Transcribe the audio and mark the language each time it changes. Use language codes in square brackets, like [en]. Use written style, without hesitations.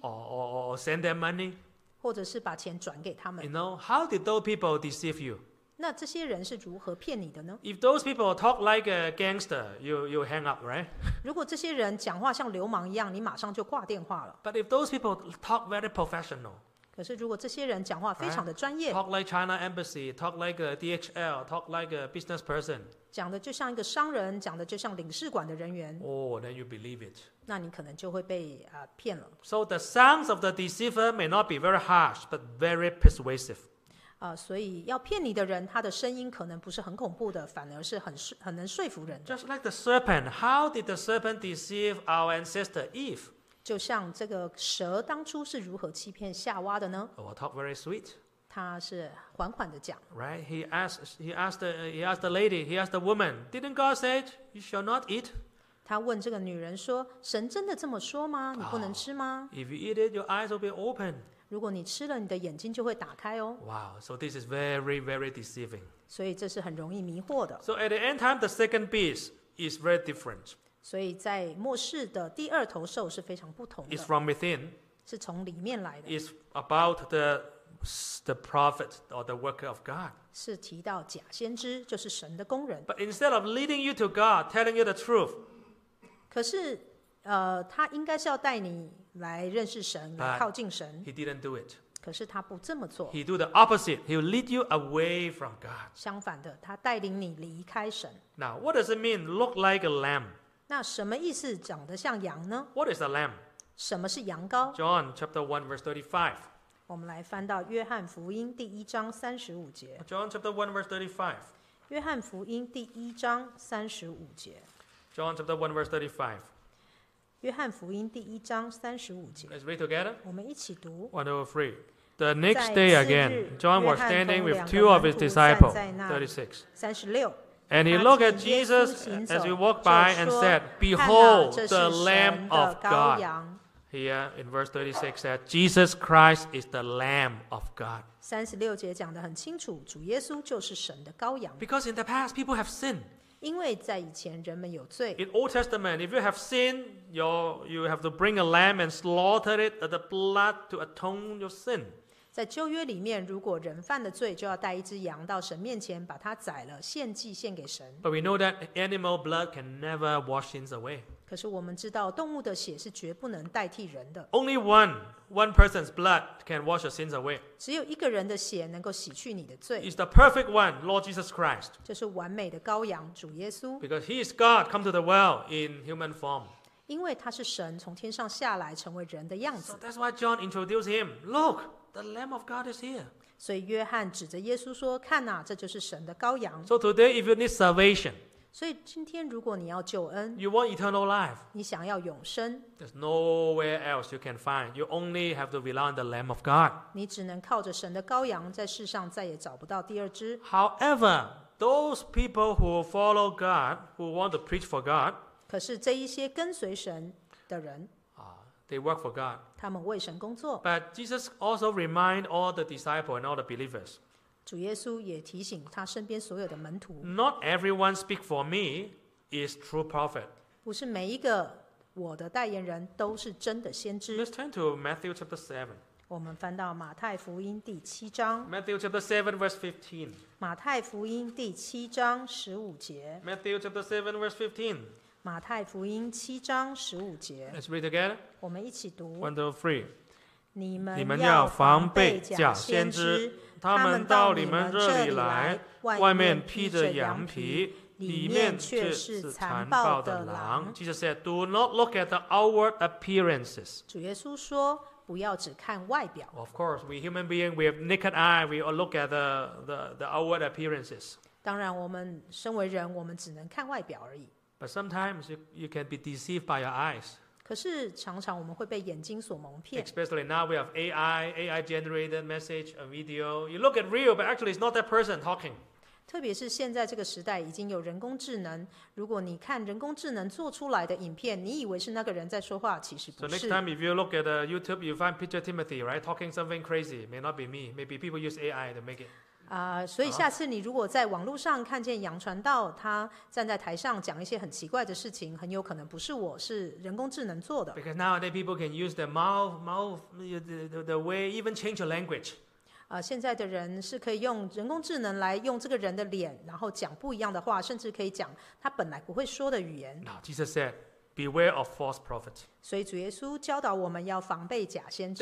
[en] Or send them money. [zh] 或者是把钱转给他们。 [en] You know, how did those people deceive you? [zh] 那这些人是如何骗你的呢？ [en] If those people talk like a gangster, you hang up, right? [zh] 如果这些人讲话像流氓一样，你马上就挂电话了。 [en] But if those people talk very professional, [zh] 可是如果这些人讲话非常的专业， [en] right? Talk like China Embassy, talk like a DHL, talk like a business person, [zh] 讲的就像一个商人，讲的就像领事馆的人员。 [en] Oh, then you believe it. [zh] 那你可能就会被骗了。 [en] So the sounds of the deceiver may not be very harsh, but very persuasive. [zh] 所以要骗你的人，他的声音可能不是很恐怖的，反而是很能说服人的。 [en] Just like the serpent, how did the serpent deceive our ancestor Eve? [zh] 就像这个蛇当初是如何欺骗夏娃的呢？ [en] Oh, talk very sweet. [zh] 他是缓缓的讲。 [en] Right, he asked the woman, didn't God say it? You shall not eat? [zh] 他问这个女人说，神真的这么说吗？你不能吃吗？ [en] Oh, if you eat it, your eyes will be open. [zh] 如果你吃了，你的眼睛就会打开哦。 [en] Wow, so this is very, very deceiving. [zh] 所以这是很容易迷惑的。 [en] So at the end time, the second beast is very different. [zh] 所以在末世的第二头兽是非常不同的。 [en] It's from within. [zh] 是从里面来的。 [en] It's about the prophet or the worker of God. [zh] 是提到假先知，就是神的工人。 [en] But instead of leading you to God, telling you the truth. [zh] 可是，他应该是要带你来认识神，来靠近神。 [en] But he didn't do it. [zh] 可是他不这么做。 [en] He do the opposite. He'll lead you away from God. [zh] 相反的，他带领你离开神。 [en] Now, what does it mean look like a lamb? [zh] 那什么意思长得像羊呢？ [en] What is a lamb? [zh] 什么是羊羔？ [en] John chapter 1 verse 35. [zh] 我们来翻到约翰福音第一章三十五节。 [en] John chapter 1 verse 35. [zh] 约翰福音第一章三十五节。 [en] John chapter 1 verse 35. [zh] 约翰福音第一章三十五节。 [en] Let's read together. [zh] 我们一起读。 [en] One, two, three. The next day again, John was standing with two of his disciples. 36. [zh] 三十六。 [en] And he looked at Jesus as he walked by and said, "Behold, the Lamb of God." Here in verse 36, that Jesus Christ is the Lamb of God. [zh] 三十六节讲得很清楚，主耶稣就是神的羔羊。 [en] Because in the past, people have sinned. [zh] 因为在以前人们有罪。 [en] In Old Testament, if you have sin, you have to bring a lamb and slaughter it at the blood to atone your sin. [zh] 在旧约里面，如果人犯了罪，就要带一只羊到神面前，把它宰了，献祭献给神。 [en] But we know that animal blood can never wash sins away. [zh] 可是我们知道，动物的血是绝不能代替人的。 [en] Only one person's blood can wash your sins away. [zh] 只有一个人的血能够洗去你的罪。 [en] It's the perfect one, Lord Jesus Christ. [zh] 就是完美的羔羊主耶稣。 [en] Because he is God come to the world in human form. [zh] 因为他是神从天上下来成为人的样子。 [en] So that's why John introduced him. Look, the Lamb of God is here. [zh] 所以约翰指着耶稣说，看啊，这就是神的羔羊。 [en] So today if you need salvation, [zh] 所以今天如果你要救恩， [en] you want eternal life, [zh] 你想要永生， [en] there's nowhere else you can find. You only have to rely on the Lamb of God. [zh] 你只能靠着神的羔羊，在世上再也找不到第二只。 [en] However, those people who follow God, who want to preach for God, [zh] 可是这一些跟随神的人， [en] they work for God. [zh] 他们为神工作。 [en] But Jesus also reminds all the disciples and all the believers. [zh] 主耶稣也提醒他身边所有的门徒， [en] Not everyone speak for me is true prophet. [zh] 不是每一个我的代言人都是真的先知。 [en] Let's turn to Matthew chapter 7. [zh] 我们翻到马太福音第七章。 [en] Matthew chapter 7 verse 15. [zh] 马太福音第七章十五节。 [en] Matthew chapter 7 verse 15. [zh] 马太福音七章十五节。 [en] Let's read together. [zh] 我们一起读。 [en] One, two, three. [zh] 你们要防备假先知。他们到你们这里来，外面披着羊皮，里面却是残暴的狼。 [en] Jesus said, do not look at the outward appearances. [zh] 主耶稣说，不要只看外表。 [en] Of course, we human beings, we have naked eye, we all look at the outward appearances. [zh] 当然我们身为人，我们只能看外表而已。 [en] But sometimes you can be deceived by your eyes. [zh] 可是常常我们会被眼睛所蒙骗。 [en] Especially now we have AI generated message, a video. You look at real, but actually it's not that person talking. [zh] 特别是现在这个时代已经有人工智能，如果你看人工智能做出来的影片，你以为是那个人在说话，其实不是。 [en] So next time if you look at YouTube, you find picture Timothy, right, talking something crazy. May not be me. Maybe people use AI to make it. [zh] 所以下次你如果在网络上看见杨传道他站在台上讲一些很奇怪的事情，很有可能不是我，是人工智能做的。 [en] Because nowadays people can use their mouth the way even change your language. [zh] 现在的人是可以用人工智能来用这个人的脸然后讲不一样的话，甚至可以讲他本来不会说的语言。 [en] Now Jesus said, beware of false prophets. [zh] 所以主耶稣教导我们要防备假先知。